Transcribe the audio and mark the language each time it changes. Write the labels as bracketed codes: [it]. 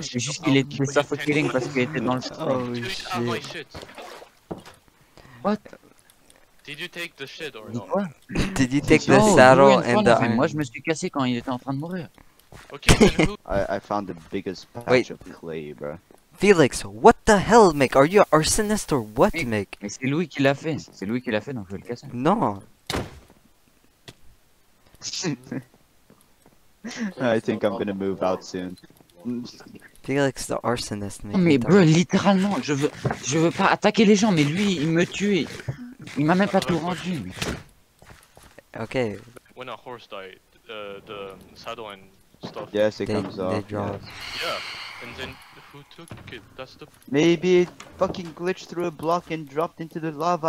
[fr] C'est juste qu'il était [en] suffocating [fr] parce qu'il était dans le portail. [en] Oh shit. What? Did you take the shit or not? Did you take the saddle and the... [fr] Moi je me suis cassé quand il était en train de mourir. [en] Okay, then who... I found the biggest patch of clay, bro. Felix, what the hell, mec? Are you an arsonist or what, mec? [fr] Mais c'est Louis qui l'a fait. C'est Louis qui l'a fait, donc je vais le casser. Non. [en] I think I'm gonna move out soon. Felix, the arsonist, mec. [fr] Mais bro, littéralement, je veux pas attaquer les gens, mais lui, il me tue. Il m'a même pas tout rendu. Ok. [en] When a horse died, the saddle and stuff. Yes, it comes off. Yeah. And then who took it? That's the. Maybe it fucking glitched through a block and dropped into the lava.